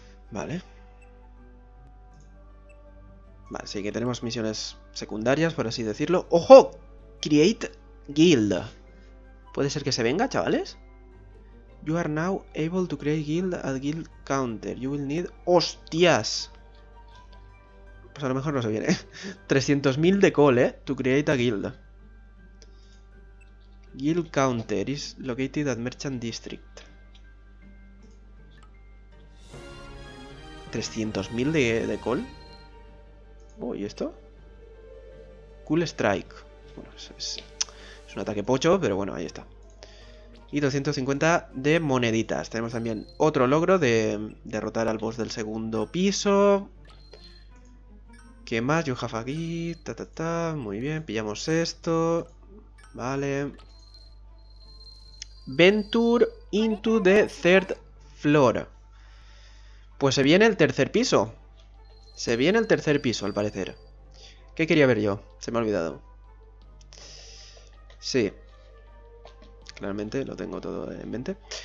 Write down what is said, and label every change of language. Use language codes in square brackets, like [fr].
[es] Vale. Vale, sí que tenemos misiones secundarias, por así decirlo. ¡Ojo! Create Guild. ¿Puede ser que se venga, chavales? [en] You are now able to create guild at guild counter. You will need... ¡hostias! [es] Pues a lo mejor no se viene. [en] 300.000 de coal, ¿eh? To create a guild. Guild counter is located at Merchant District. [es] 300.000 de call. Uy, ¿esto? Cool Strike. Bueno, es un ataque pocho, pero bueno, ahí está. Y 250 de moneditas. Tenemos también otro logro de derrotar al boss del segundo piso. ¿Qué más? [en] You have a gift. [es] Ta, ta, ta. Muy bien, pillamos esto. Vale. [en] Venture into the third floor. [es] Pues se viene el tercer piso. Se viene el tercer piso, al parecer. ¿Qué quería ver yo? Se me ha olvidado. Sí. Claramente lo tengo todo en mente.